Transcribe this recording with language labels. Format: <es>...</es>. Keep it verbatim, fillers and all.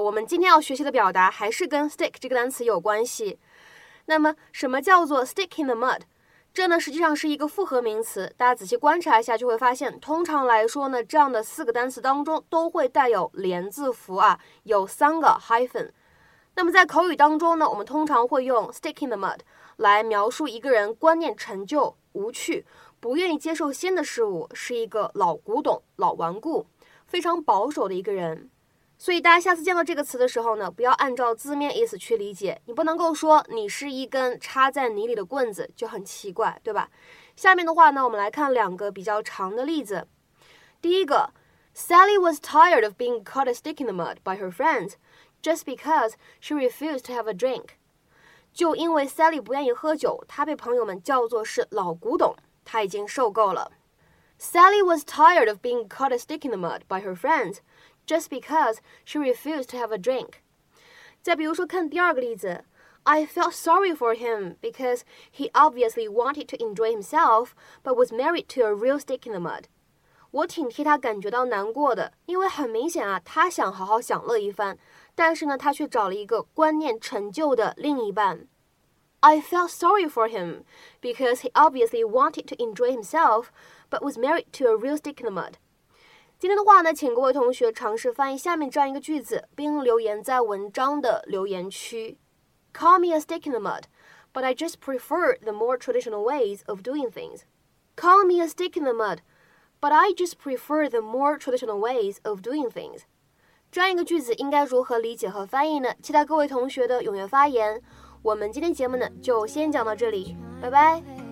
<zh>我们今天要学习的表达还是跟 stick 这个单词有关系。那么，什么叫做</zh> <en>stick in the mud？</en> <zh>这呢实际上是一个复合名词，大家仔细观察一下就会发现，通常来说呢，这样的四个单词当中都会带有连字符啊，有三个 hyphen。那么在口语当中呢，我们通常会用</zh> <en>stick in the mud</en> <zh>来描述一个人观念陈旧、无趣，不愿意接受新的事物，是一个老古董、老顽固，非常保守的一个人。所以大家下次见到这个词的时候呢，不要按照字面意思去理解，你不能够说你是一根插在泥里的棍子，就很奇怪，对吧？下面的话呢，我们来看两个比较长的例子。第一个</zh> <en>，Sally was tired of being caught a stick in the mud by her friends just because she refused to have a drink.</en> <zh>就因为 Sally 不愿意喝酒，她被朋友们叫做是老古董，她已经受够了。</zh> <en>Sally was tired of being caught a stick in the mud by her friends. Just because she refused to have a drink.</en> <zh>再比如说看第二个例子</zh> <en>I felt sorry for him because he obviously wanted to enjoy himself but was married to a real stick in the mud.</en> <zh>我挺替他感觉到难过的，因为很明显啊，他想好好享乐一番，但是呢，他却找了一个观念陈旧的另一半。</zh> <en>I felt sorry for him because he obviously wanted to enjoy himself but was married to a real stick in the mud.</en> <zh>今天的话呢，请各位同学尝试翻译下面这样一个句子，并留言在文章的留言区。</zh> <en>Call me a stick in the mud, but I just prefer the more traditional ways of doing things. Call me a stick in the mud, but I just prefer the more traditional ways of doing things.</en> <zh>这样一个句子应该如何理解和翻译呢？期待各位同学的踊跃发言。我们今天节目呢，就先讲到这里，拜拜。</zh>